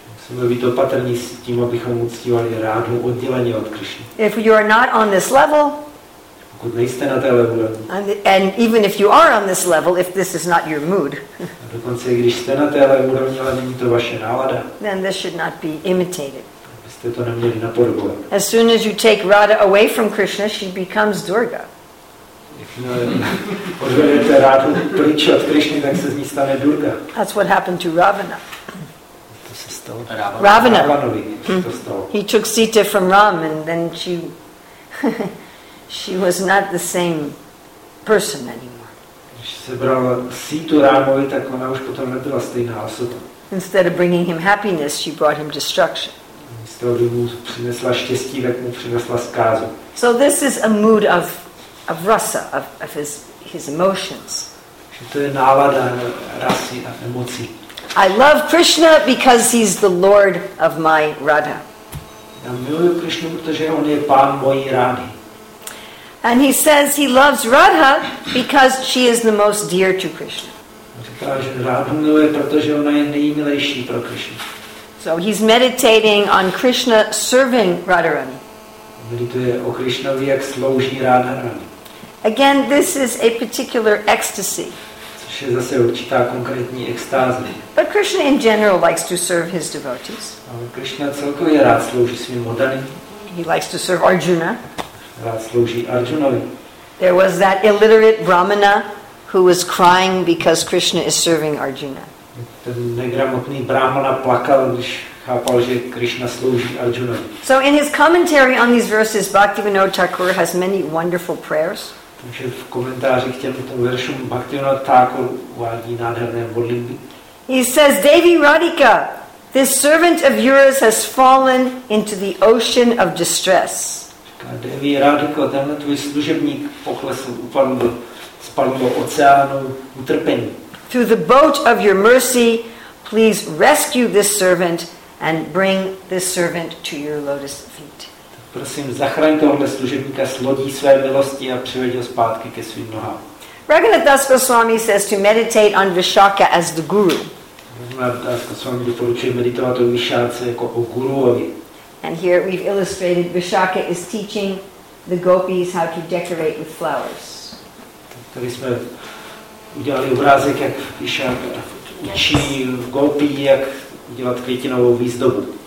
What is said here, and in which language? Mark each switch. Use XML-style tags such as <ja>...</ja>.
<cs>Musíme být opatrní s tím, abychom uctívali Radhu odděleně od Krishny.</cs> <en>If you are not on this level,</en> <cs>pokud nejste na té level,</cs> <en>and even if you are on this level, if this is not your mood,</en> <cs>a dokonce i když jste na té level, ale není to vaše nálada,</cs> <en>then this should not be imitated.</en> <cs>Byste to neměli napodobovat.</cs> <en>As soon as you take Radha away from Krishna, she becomes Durga.</en> <cs>Odvedete Radhu pryč od Krišny, tak se z ní stane Durga.</cs> <en>That's what happened to Ravana.</en> <cs>To se stalo.</cs> <en>Ravana.</en> <cs>Ravanovi to stalo.</cs> <en>He took Sita from Ram and then she she was not the same person anymore.</en> <cs>Když se brala Situ Rámovi, tak ona už potom nebyla stejná osoba.</cs> <en>Instead of bringing him happiness, she brought him destruction.</en> <cs>Místo, kdy mu přinesla štěstí, tak mu přinesla zkázu.</cs> <en>So this is a mood of rasa, of his emotions.</en> <cs>To je nálada rasy a emocí.</cs> <en>I love Krishna because he's the Lord of my Radha.</en> <cs>Já miluji Krishnu, protože on je pán mojí Rádhy.</cs> <en>And he says he loves Radha because she is the most dear to Krishna.</en> <cs>Říká, že Radhu miluje, protože ona je nejmilejší pro Krishna.</cs> <en>So he's meditating on Krishna serving Radharani.</en> <cs>Medituje o Krishnovi, jak slouží Radharani.</cs> <en>Again, this is a particular ecstasy.</en> <cs>Což je zase určitá konkrétní extáze.</cs> <en>But Krishna in general likes to serve his devotees.</en> <cs>Ale Krishna celkově rád slouží svým oddaným.</cs> <en>He likes to serve Arjuna.</en> <cs>Rád slouží Arjunovi.</cs> <en>There was that illiterate Brahmana who was crying because Krishna is serving Arjuna.</en> <cs>Ten negramotný Brahmana plakal, když chápal, že Krishna slouží Arjunovi.</cs> <en>So in his commentary on these verses, Bhaktivinoda Thakur has many wonderful prayers.</en> <cs>Takže v komentářích k těmto veršům Bhaktivinoda Thakur uvádí nádherné modlitby.</cs> <en>He says, Devi Radhika, this servant of yours has fallen into the ocean of distress.</en> <cs>Říká, Devi Radhika, tenhle tvůj služebník poklesl, spadl do oceánu utrpení.</cs> <en>Through the boat of your mercy, please rescue this servant and bring this servant to your lotus feet.</en> <cs>Prosím, zachraň tohle služebníka s lodí své milosti a přiveď ho zpátky ke svým nohám.</cs> <en>Raghunath Das Goswami says to meditate on Vishakha as the guru.</en> <cs>Raghunath Das Goswami doporučuje meditovat o Vishakha jako o guruovi.</cs> <en>And here we've illustrated Vishakha is teaching the gopis how to decorate with flowers.</en> <cs>Tady jsme udělali obrázek, jak Vishakha učí gopí, jak udělat květinovou výzdobu.</cs>